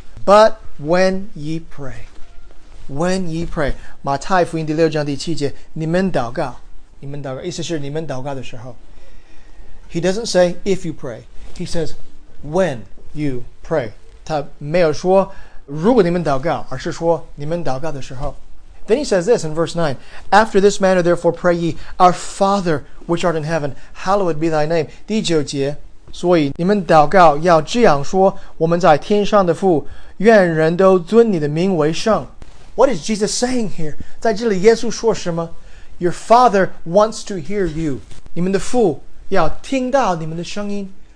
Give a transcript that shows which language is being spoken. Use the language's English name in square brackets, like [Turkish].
[English] But when ye pray, when ye pray, [Chinese] 马太福音第六章第七节, 你们祷告, 你们祷告, 意思是你们祷告的时候. [English] He doesn't say, if you pray. He says, when you pray. [Chinese] 他没有说如果你们祷告, 而是说你们祷告的时候. [English] Then he says this in verse 9, After this manner therefore pray ye, Our Father which art in heaven, hallowed be thy name. [Chinese] 第九节, 所以你们祷告要这样说, 我们在天上的父, 愿人都尊你的名为圣. [English] What is Jesus saying here? [Chinese] 在这里耶稣说什么? [English] Your Father wants to hear you. [Chinese] 你们的父要听到你们的声音.